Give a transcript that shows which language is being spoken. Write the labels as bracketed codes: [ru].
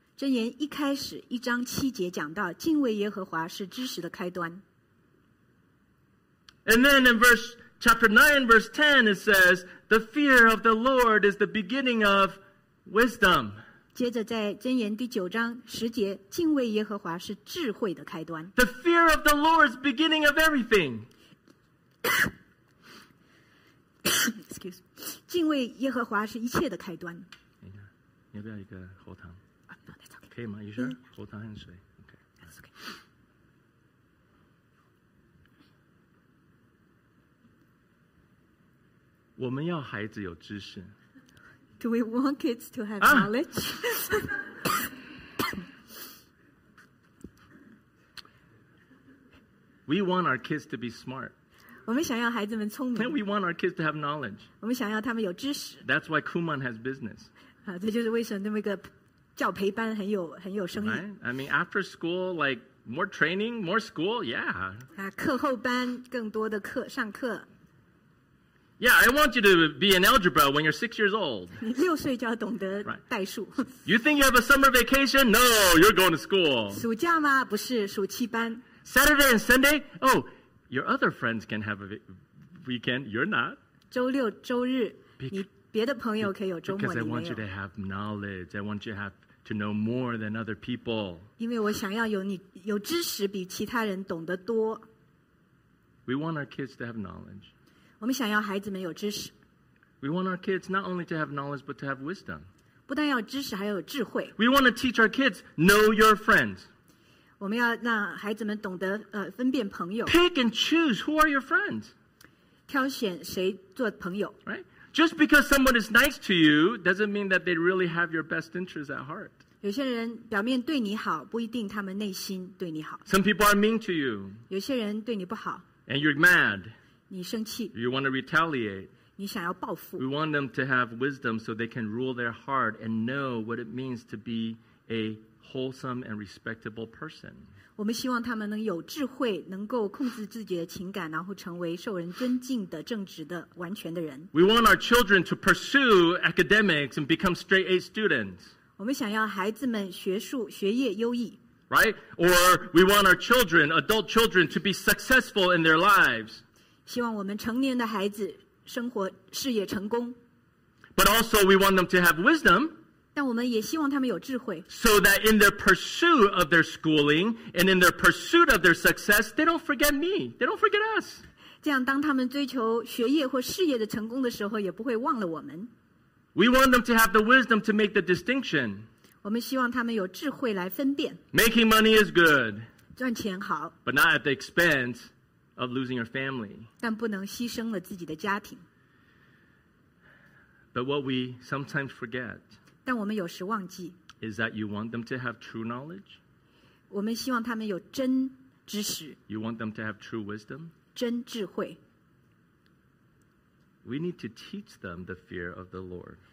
[zh] 箴言一开始一章七节讲到敬畏耶和华是知识的开端。 [en] And then in chapter 9 verse 10 it says, The fear of the Lord is the beginning of wisdom. [zh] 接着在箴言第九章十节，敬畏耶和华是智慧的开端。 [en] The fear of the Lord is beginning of everything. Excuse me. [zh] 敬畏耶和华是一切的开端。你要不要一个喉糖？ [en] No, that's okay. [zh] 可以吗？医生，喉糖和水。Okay. [en] That's okay. [zh] 我们要孩子有知识。 [en] Do we want kids to have knowledge? We want our kids to be smart. [zh] 我们想要孩子们聪明。 [en] And we want our kids to have knowledge. [zh] 我们想要他们有知识。 [en] That's why Kumon has business. [zh] 这就是为什么那么一个教培班很有生意。 [en] Right? I mean, after school, like more training, more school, yeah. [zh] 课后班更多的课上课。 [en] Yeah, I want you to be in algebra when you're 6 years old. [zh] 你六岁就要懂得代数。 [en] You think you have a summer vacation? No, you're going to school. [zh] 暑假吗？不是，暑期班。 [en] Saturday and Sunday? Oh, your other friends can have a weekend. You're not. [zh] 周六周日，你别的朋友可以有周末，你没有。 [en] Because I want you to have knowledge. I want you to have to know more than other people. [zh] 因为我想要有你有知识，比其他人懂得多。 [en] We want our kids to have knowledge. [zh] 我们想要孩子们有知识。 [en] We want our kids not only to have knowledge but to have wisdom. [zh] 不但要知识，还要有智慧。 [en] We want to teach our kids know your friends. [zh] 我们要让孩子们懂得分辨朋友。 [en] Pick and choose who are your friends. [zh] 挑选谁做朋友。 [en] Right? Just because someone is nice to you doesn't mean that they really have your best interests at heart. [zh] 有些人表面对你好，不一定他们内心对你好。 [en] Some people are mean to you. [zh] 有些人对你不好。 [en] And you're mad. [zh] 你生气。 [en] You want to retaliate. [zh] 你想要报复。 [en] We want them to have wisdom so they can rule their heart and know what it means to be a wholesome and respectable person. [zh] 我们希望他们能有智慧，能够控制自己的情感，然后成为受人尊敬的、正直的、完全的人。 [en] We want our children to pursue academics and become straight A students. [zh] 我们想要孩子们学术、学业优异。 [en] Right? Or we want our children, adult children, to be successful in their lives. [zh] 希望我们成年的孩子生活事业成功。 [en] But also we want them to have wisdom. [zh] 但我们也希望他们有智慧。 [en] So that in their pursuit of their schooling and in their pursuit of their success, they don't forget me. They don't forget us. [zh] 这样当他们追求学业或事业的成功的时候，也不会忘了我们。 [en] We want them to have the wisdom to make the distinction. [zh] 我们希望他们有智慧来分辨。 [en] Making money is good. [zh] 赚钱好。 [en] But not at the expense of losing your family. [zh] 但不能牺牲了自己的家庭。 [en] But what we sometimes forget. [zh] 但我们有时忘记。 [en] Is that you want them to have true knowledge? [zh] 我们希望他们有真知识。 [en] You want them to have true wisdom? [zh] 真智慧。 [en] We need to teach them the fear of the Lord.